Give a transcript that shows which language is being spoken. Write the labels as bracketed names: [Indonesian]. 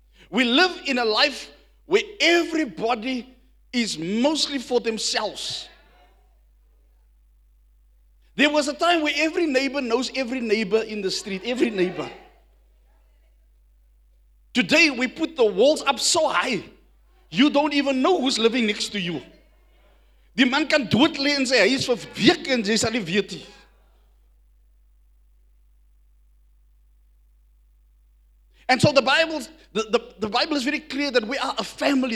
[English] We live in a life where everybody is mostly for themselves. There was a time where every neighbor knows every neighbor in the street, every neighbor. Today we put the walls up so high, you don't even know who's living next to you. [Afrikaans] Die man kan dood lê in sy huis vir weke en jy sal nie weet nie. [English] And so the Bible is very clear that we are a family.